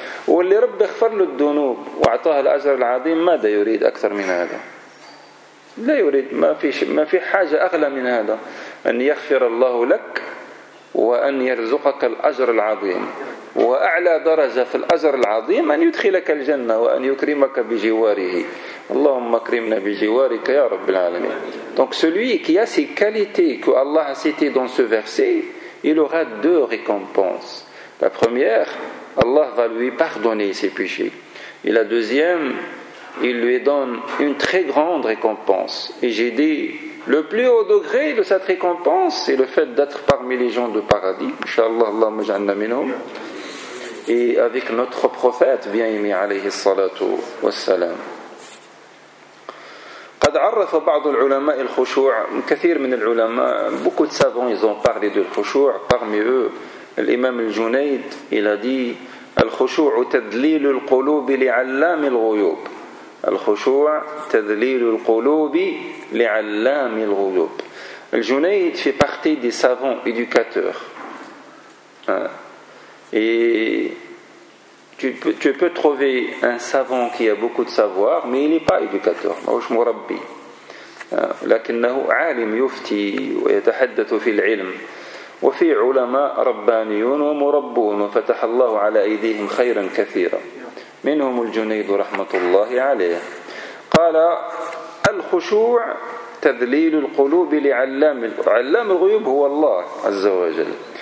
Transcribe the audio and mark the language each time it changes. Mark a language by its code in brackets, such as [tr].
[ar] واللي رب اغفر له الذنوب وأعطاه الأجر العظيم ماذا يريد أكثر من هذا؟ لا يريد، ما في حاجة أغلى من هذا، أن يغفر الله لك وأن يرزقك الأجر العظيم. وأعلى درجة في الأجر العظيم أن يدخلك الجنة وأن يكرمك بجواره. اللهم اكرمنا بجوارك يا رب العالمين. [fr] Donc celui qui a ces qualités que Allah a citées dans ce verset, il aura deux récompenses. La première, Allah va lui pardonner ses péchés. Et la deuxième, il lui donne une très grande récompense. Et j'ai dit, le plus haut degré de cette récompense, c'est le fait d'être parmi les gens du paradis. Inch'Allah, [ar] Allah majanna minhum. [fr] Et avec notre prophète, bien aimé, [ar] alayhi salatu wassalam. قد عرف بعض العلماء الخشوع، كثير من العلماء، [fr] beaucoup de savants, ils ont parlé de [ar] الخشوع. [fr] Parmi eux, l'imam al-Junayd, il a dit, [ar] الخشوع تدليل القلوب لعلام الغيوب. الخشوع تدليل القلوب لعلام الغيوب. [fr] الجنيد fait partie des savants éducateurs. Et tu peux trouver un savant qui a beaucoup de savoir, mais il n'est pas éducateur. Mais je m'orabbi. [ar] لكنه عالم يفتي ويتحدث في العلم. وفي علماء ربانيون ومربون وفتح الله على أيديهم خيرا كثيرا. منهم الجنيد رحمة الله عليه. قال الخشوع تذليل القلوب لعلام علام الغيوب هو الله عز وجل.